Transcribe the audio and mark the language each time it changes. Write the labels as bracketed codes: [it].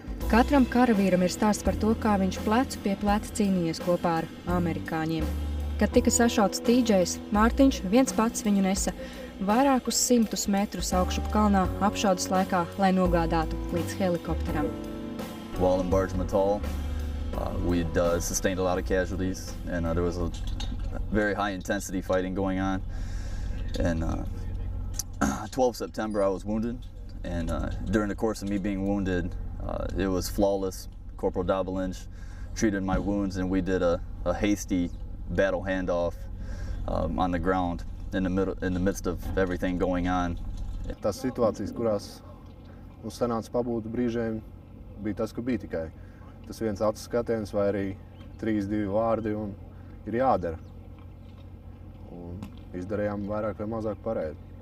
[lv] Katram karavīram ir stāsts par to, kā viņš plecu pie pleca cīnījies kopā ar amerikāņiem. Kad tika sašauts TJs, Mārtiņš viens pats viņu nesa vairākus 100 metrus augšup kalnā apšaudes laikā, lai nogādātu līdz helikopteram. [en] While in Barge Matal, we'd sustained a lot of casualties, and there was a very high-intensity fighting going on. And 12 September, I was wounded, and during the course of me being wounded, it was flawless. Corporal Dobelinch treated my wounds, and we did a hasty battle handoff on the ground in the midst of everything going on. [lv] Tās situācijas, kurās mums sanāca pabūtu brīžiem, bija tas, ka bija tikai tas viens atskatiens vai arī 3-2 vārdi un ir jādara. Un izdarījām vairāk vai mazāk pareizi.